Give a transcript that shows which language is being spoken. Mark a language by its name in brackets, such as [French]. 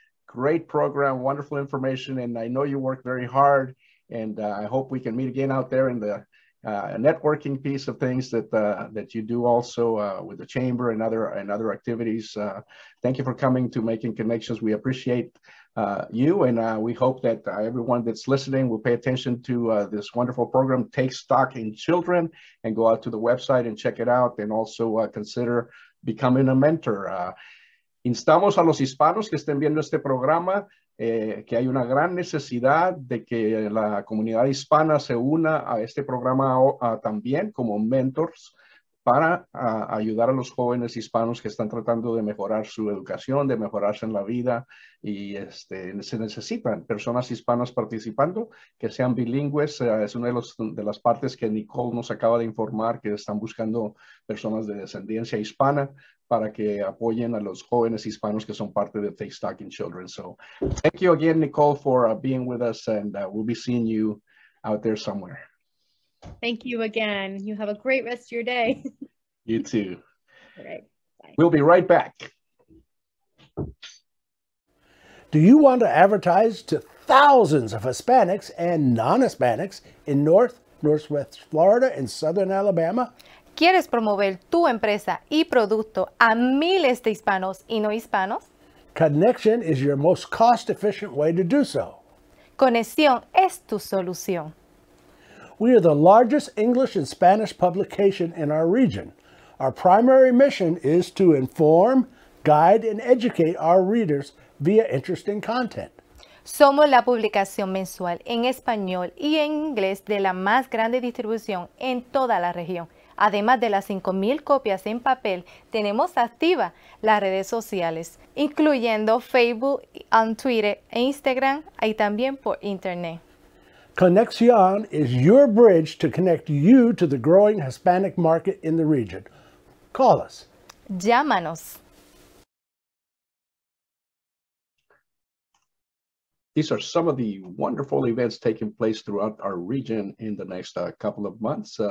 [English] Great program, wonderful information, and I know you work very hard, and I hope we can meet again out there in the networking piece of things that you do also with the chamber and other activities. Thank you for coming to Making Connections. We appreciate you, and we hope that everyone that's listening will pay attention to this wonderful program, Take Stock in Children, and go out to the website and check it out, and also consider becoming a mentor. [Spanish] Instamos a los hispanos que estén viendo este programa, que hay una gran necesidad de que la comunidad hispana se una a este programa también como mentors para ayudar a los jóvenes hispanos que están tratando de mejorar su educación, de mejorarse en la vida, y se necesitan personas hispanas participando, que sean bilingües. Es una de las partes que Nicole nos acaba de informar, que están buscando personas de descendencia hispana para que apoyen a los jóvenes hispanos que son parte de Take Stock in Children. [English] So thank you again, Nicole, for being with us, and we'll be seeing you out there somewhere. Thank you again. You have a great rest of your day. You too. All right. Bye. We'll be right back. Do you want to advertise to thousands of Hispanics and non-Hispanics in North, Northwest Florida, and Southern Alabama? [Spanish] ¿Quieres promover tu empresa y producto a miles de hispanos y no hispanos? [English] Connection is your most cost-efficient way to do so. [Spanish] Conexión es tu solución. [English] We are the largest English and Spanish publication in our region. Our primary mission is to inform, guide, and educate our readers via interesting content. [Spanish] Somos la publicación mensual en español y en inglés de la más grande distribución en toda la región. Además de las 5,000 copias en papel, tenemos activa las redes sociales, incluyendo Facebook, on Twitter e Instagram, y también por Internet. [English] Conexion is your bridge to connect you to the growing Hispanic market in the region. Call us. [Spanish] Llámanos. [English] These are some of the wonderful events taking place throughout our region in the next couple of months.